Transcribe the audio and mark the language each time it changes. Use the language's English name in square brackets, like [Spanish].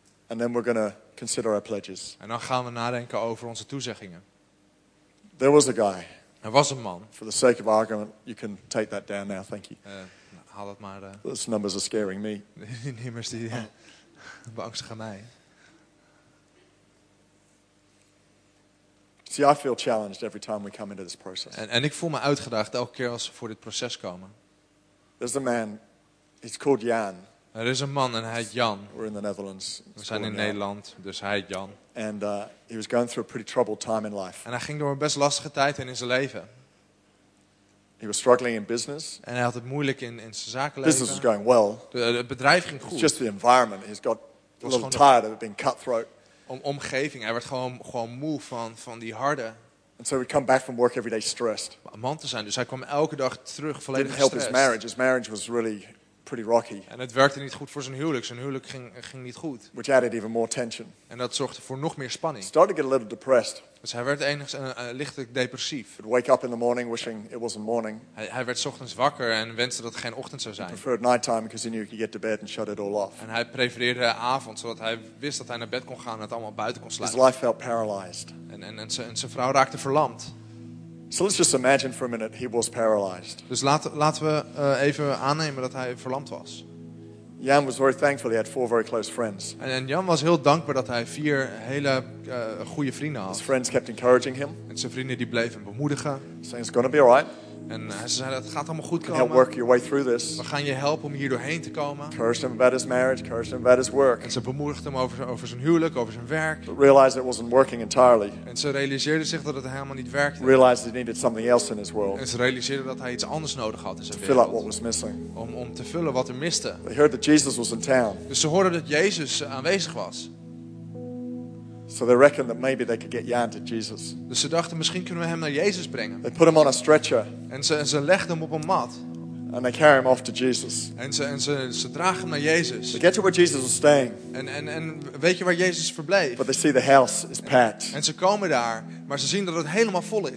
[English] And then we're going to consider our pledges. [Dutch] En dan gaan we nadenken over onze toezeggingen. [English] There was a guy. [Dutch] Er was een man. [English] For the sake of argument, you can take that down now. Thank you. [Dutch] Haal dat maar. [English] Those numbers are scaring me. [Dutch] Die nummers die beangstigen mij. [English] See, I feel challenged every time we come into this process. [Dutch] En ik voel me uitgedaagd elke keer als we voor dit proces komen. [English] There's a man. He's called Jan. [Dutch] Er is een man en hij heet Jan. [English] We're in the Netherlands. [Dutch] We zijn in Nederland, dus hij heet Jan. [English] And he was going through a pretty troubled time in life. [Dutch] En hij ging door een best lastige tijd in zijn leven. [English] He was struggling in business. [Dutch] En hij had het moeilijk in zijn zakenleven. [English] Business was going well. [Dutch] Het bedrijf ging goed. [English] It's just the environment. He's got a little tired of it being cutthroat. [Dutch] Omgeving. Hij werd gewoon moe van die harde. [English] And so we come back from work every day stressed. [Dutch] Man te zijn. Dus hij kwam elke dag terug volledig gestrest. [English] Didn't help his marriage. His marriage was really pretty rocky. [Dutch] En het werkte niet goed voor zijn huwelijk. Zijn huwelijk ging niet goed. [English] Which added even more tension. [Dutch] En dat zorgde voor nog meer spanning. [English] Started to get a little depressed. [Dutch] Dus hij werd enigszins lichtelijk depressief. [English] He'd wake up in the morning wishing it wasn't morning. [Dutch] Hij werd 's ochtends wakker en wenste dat het geen ochtend zou zijn. [English] He preferred nighttime because he knew he could get to bed and shut it all off. [Dutch] En hij prefereerde avond zodat hij wist dat hij naar bed kon gaan en het allemaal buiten kon sluiten. [English] His life felt paralyzed. [Dutch] En zijn vrouw raakte verlamd. [English] So let's just imagine for a minute he was paralyzed. [Dutch] Dus laten we even aannemen dat hij verlamd was. [English] Jan was very thankful he had four very close friends. [Dutch] En Jan was heel dankbaar dat hij vier hele goede vrienden had. [English] His friends kept encouraging him. [Dutch] En zijn vrienden die bleven hem bemoedigen. [English] Saying it's going to be all right. [Dutch] En ze zeiden het gaat allemaal goed komen. [English] Help work your way through this. [Dutch] We gaan je helpen om hier doorheen te komen. [English] Encouraged him about his marriage, encouraged him about his work. [Dutch] En ze bemoedigden hem over zijn huwelijk, over zijn werk. [English] But realized it wasn't working entirely. [Dutch] En ze realiseerden zich dat het helemaal niet werkte. [English] Realized he needed something else in his world. [Dutch] En ze realiseerden dat hij iets anders nodig had in zijn [English] to [Dutch] wereld. [English] Fill up what was missing. [Dutch] Om te vullen wat er miste. [English] They heard that Jesus was in town. [Dutch] Dus ze hoorden dat Jezus aanwezig was. [English] So they reckoned that maybe they could get Jan to Jesus. [Dutch] Dus ze dachten misschien kunnen we hem naar Jezus brengen. [English] They put him on a stretcher. [Dutch] En ze legden hem op een mat. [English] And they carry him off to Jesus. [Dutch] En ze dragen hem naar Jezus. [English] They get to where Jesus was staying. [Dutch] En weet je waar Jezus verbleef? [English] But they see the house is packed. [Dutch] En ze komen daar, maar ze zien dat het helemaal vol is.